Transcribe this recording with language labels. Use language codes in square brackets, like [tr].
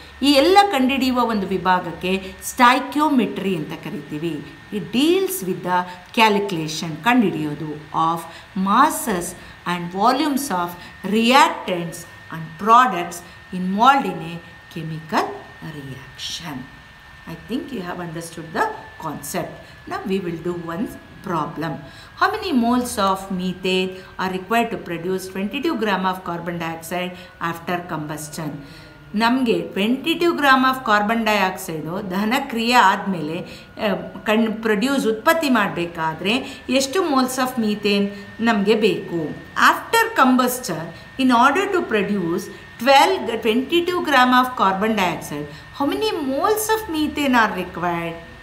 [kn] ಈ ಎಲ್ಲ ಕಂಡುಹಿಡಿಯುವ ಒಂದು ವಿಭಾಗಕ್ಕೆ ಸ್ಟಾಯ್ಕಿಯೋಮೆಟ್ರಿ ಅಂತ ಕರಿತೀವಿ. [en] it deals with the calculation, [kn] ಕಂಡುಹಿಡಿಯೋದು [en] Of masses and volumes of reactants and products involved in a chemical reaction. I think you have understood the concept. Now we will do one problem. How many moles of methane are required to produce 22 gram of carbon dioxide after combustion? [kn] ನಮಗೆ 22 gram of carbon dioxide ದಹನ ಕ್ರಿಯೆ ಆದಮೇಲೆ produce ಉತ್ಪತ್ತಿ ಮಾಡಬೇಕಾದ್ರೆ ಎಷ್ಟು moles of methane ನಮಗೆ ಬೇಕು? [en] After combustion in order to produce 22 gram of carbon dioxide, how many moles of methane are required?